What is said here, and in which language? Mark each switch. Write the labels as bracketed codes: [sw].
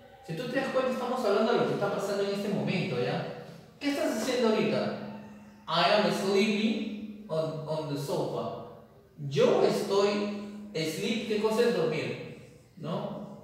[es] Si tú te das cuenta, estamos hablando de lo que está pasando en este momento, ¿ya? ¿Qué estás haciendo ahorita? [en] I am sleeping on the sofa. [es] Yo estoy sleep, ¿qué cosa es dormir? ¿No?